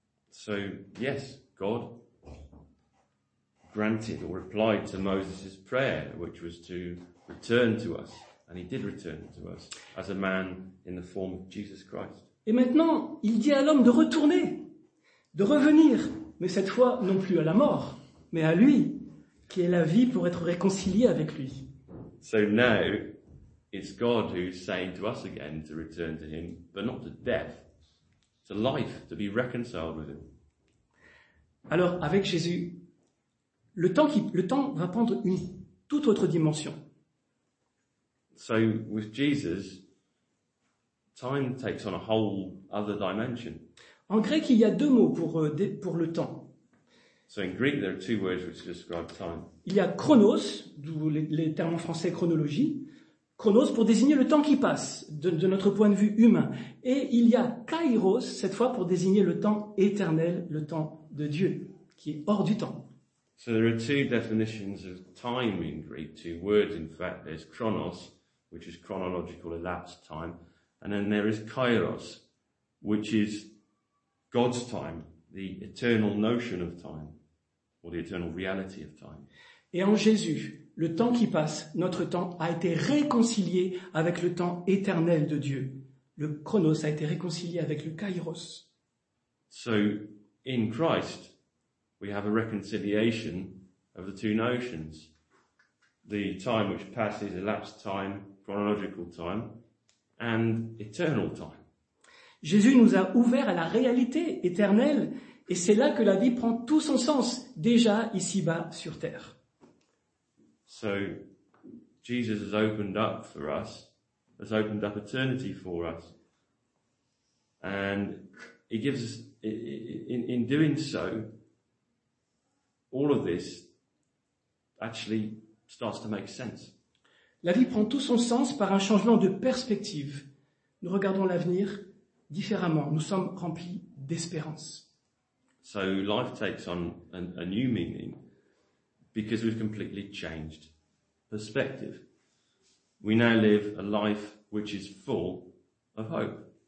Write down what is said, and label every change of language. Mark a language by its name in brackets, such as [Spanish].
[English] So yes, God granted or replied to Moses' prayer, which was to return to us, and he did return to us as a man in the form of Jesus Christ. [French] Et maintenant, il dit à l'homme de retourner, de revenir, mais cette fois non plus à la mort, mais à lui, qui est la vie pour être réconcilié avec lui. [English] So now, it's God who's saying to us again to return to him, but not to death, to life, to be reconciled with him. [French] Alors, avec Jésus, le temps va prendre une toute autre dimension. [English] So, with Jesus, time takes on a whole other dimension. [French] En grec, il y a deux mots pour le temps. [English] So in Greek, there are two words which describe time. [French] Il y a chronos, d'où les termes en français chronologie. Chronos pour désigner le temps qui passe, de notre point de vue humain. Et il y a kairos, cette fois, pour désigner le temps éternel, le temps de Dieu, qui est hors du temps. [English] So there are two definitions of time in Greek, two words in fact. There's chronos, which is chronological elapsed time, and then there is kairos, which is God's time, the eternal notion of time, or the eternal reality of time. [French] Et en Jésus, le temps qui passe, notre temps, a été réconcilié avec le temps éternel de Dieu. Le chronos a été réconcilié avec le kairos. [English] So, in Christ, we have a reconciliation of the two notions. The time which passes, elapsed time, chronological time, and eternal time. [French] Jésus nous a ouvert à la réalité éternelle, et c'est là que la vie prend tout son sens, déjà ici-bas sur terre. [English] So, Jesus has opened up for us, has opened up eternity for us. And he gives us, in doing so, all of this actually starts to make sense. [French] La vie prend tout son sens par un changement de perspective. Nous regardons l'avenir différemment. Nous sommes remplis d'espérance. [English] So life takes on a new meaning because we've completely changed perspective. We now live a life which is full of hope.